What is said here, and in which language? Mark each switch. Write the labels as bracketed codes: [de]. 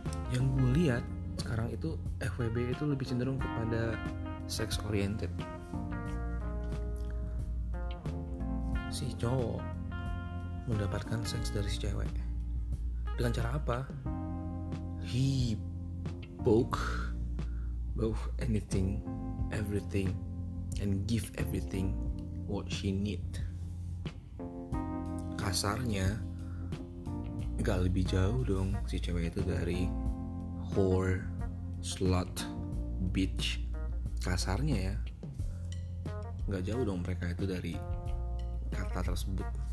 [id] Yang gue lihat sekarang itu FWB itu lebih cenderung kepada sex oriented. Si cowok mendapatkan seks dari si cewek. Dengan cara apa? [en] He both anything, everything, and give everything what she need. [id] Kasarnya, gak lebih jauh dong si cewek itu dari [en] whore, slut, bitch. [id] Kasarnya ya, gak jauh dong mereka itu dari kata tersebut.